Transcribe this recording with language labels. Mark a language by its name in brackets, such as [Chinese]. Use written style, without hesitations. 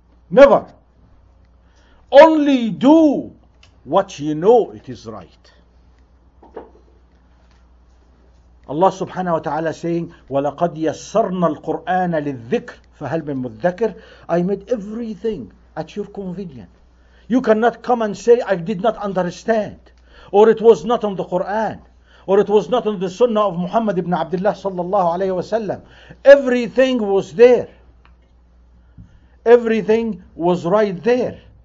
[English] Never. Only do what you know it is right. Allah subhanahu wa ta'ala saying, [Arabic] وَلَقَدْ يَسَّرْنَا الْقُرْآنَ لِلذِّكْرِ فَهَلْ مِنْ مُذَّكِرِ. [English] I made everything at your convenience. You cannot come and say, I did not understand, or it was not in the Quran, or it was not in the Sunnah of Muhammad ibn Abdullah sallallahu alayhi wa sallam. Everything was there. Everything was right there.